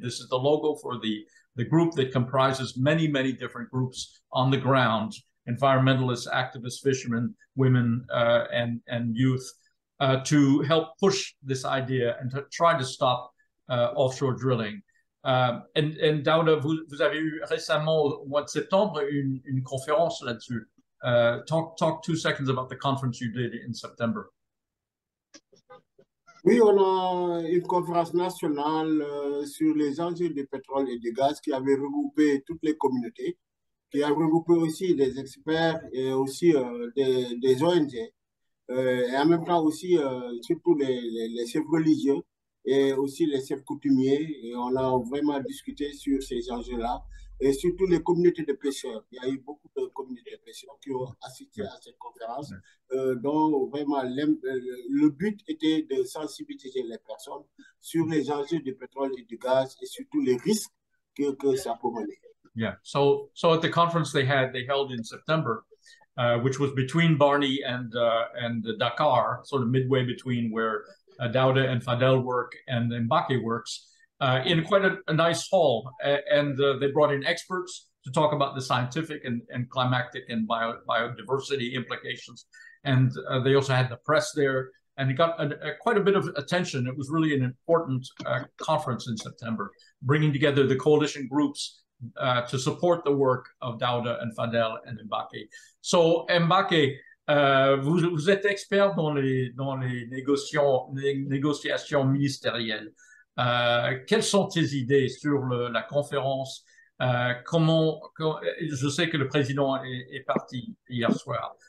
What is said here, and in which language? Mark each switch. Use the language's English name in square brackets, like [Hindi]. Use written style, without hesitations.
[English] This is the logo for the group that comprises many, many different groups on the ground, environmentalists, activists, fishermen, women, and youth, to help push this idea and to try to stop offshore drilling. [French] And Daouda, vous avez eu récemment, au mois de septembre, une conférence là-dessus. [English] Talk 2 seconds about the conference you did in September. [French] Oui, on a une conférence nationale sur les enjeux du pétrole et du gaz qui avait regroupé toutes les communautés, qui a regroupé aussi des experts et aussi des ONG, et en même temps aussi surtout les chefs religieux et aussi les chefs coutumiers. Et on a vraiment discuté sur ces enjeux-là et surtout les communautés de pêcheurs. Il y a eu beaucoup de communautés de pêcheurs qui ont assisté à cette conférence, dont vraiment le but était de sensibiliser les personnes sur les enjeux du pétrole et du gaz et surtout les risques que ça peut mener. [English] Yeah, so at the conference they held in September, which was between Barney and Dakar, sort of midway between where Daouda and Fadel work and Mbacke works, in quite a nice hall, and they brought in experts to talk about the scientific and climactic and biodiversity implications, and they also had the press there, and it got quite a bit of attention. It was really an important conference in September, bringing together the coalition groups to support the work of Daouda and Fadel and Mbacke. [French] So Mbacke, vous êtes expert dans les négociations ministérielles. Quelles sont tes idées sur la conférence? Je sais que le président est parti hier soir.